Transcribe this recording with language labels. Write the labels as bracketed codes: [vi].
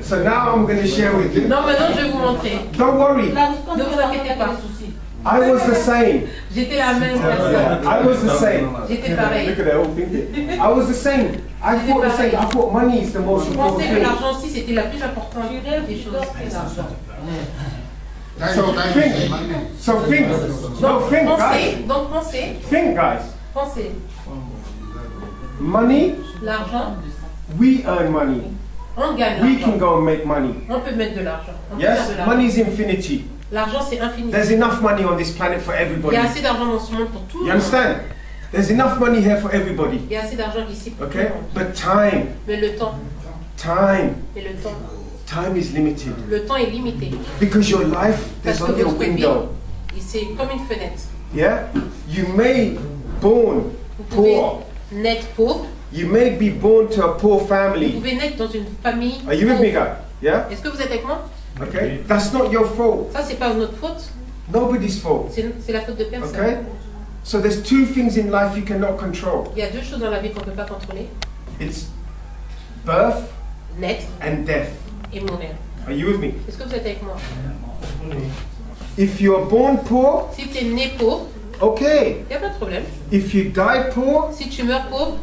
[en] So now I'm going to share with you. [fr] Non, maintenant je vais vous montrer. [en] Don't worry. [fr] Ne vous inquiétez pas. [en] I was the same. [fr] J'étais la même personne. [en] I was the same. [fr] J'étais pareil. [en] Look at that whole thing. I was the same. I thought the same. I thought money is the most important. [fr] Je pensais que l'argent aussi c'était la plus importante des choses. [en] So think. [fr] Donc, [en] no, think, [fr] pensez, [en] guys. [fr] Donc pensez. [en] Think, guys. [fr] Pensez. [en] Money, [fr] l'argent, [en] we earn money, [fr] on gagne, [en] we can go and make money, [fr] on peut mettre de l'argent, on [en] yes, [fr] de l'argent. [en] Money is infinity, [fr] l'argent c'est infini, [en] there's enough money on this planet for everybody, [fr] il y a assez d'argent dans ce monde pour tout, [en] you understand, there's enough money here for everybody, [fr] il y a assez d'argent ici pour [en] okay, [fr] tout [en] but time, [fr] mais le temps, [en] time, [fr] mais le temps, [en] time is limited, [fr] le temps est limité, [en] because your life, there's [fr] parce [en] only a window, [fr] vie, c'est comme une fenêtre, [en] yeah, you may born poor, [fr] naître pauvre. [en] You may be born to a poor family. [fr] Vous pouvez naître dans une famille [en] Are you with [fr] pauvre. [en] Me, guy? Yeah? [fr] Est-ce que vous êtes avec moi? [en] Okay. That's not your fault. [fr] Ça, c'est pas notre faute. [en] Nobody's fault. [fr] C'est la faute de personne. [en] Okay? So there's two things in life you cannot control. [fr] Il y a deux choses dans la vie qu'on peut pas contrôler. [en] It's birth, [fr] naître, [en] and death. [fr] Et mourir. [en] Are you with me? [fr] Est-ce que vous êtes avec moi? [en] If you're born poor, [fr] si tu es né pauvre, [en] okay. [fr] Il y a pas de problème. [en] If you die poor, [fr] si tu meurs pauvre,